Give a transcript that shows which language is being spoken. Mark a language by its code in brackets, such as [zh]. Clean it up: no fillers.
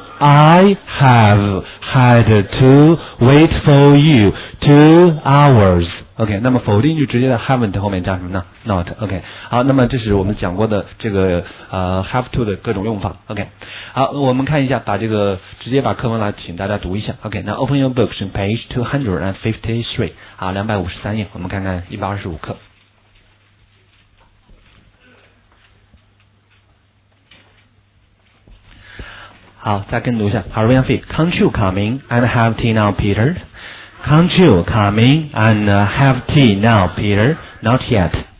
[en] I have had to wait for you 2 hours. [zh] OK, 那么否定句直接在 haven't 后面加什么呢 ？Not. OK. 好，那么这是我们讲过的这个have to 的各种用法。 OK. 好，我们看一下，把这个直接把课文来请大家读一下。 [en] OK, now open your books in page 253. [zh] 啊，253页，我们看看125课。好，再跟读一下。 [en] 好 ，Ryan Fei, can't you come in and have tea now, Peter? Can't you come in and have tea now, Peter? Not yet.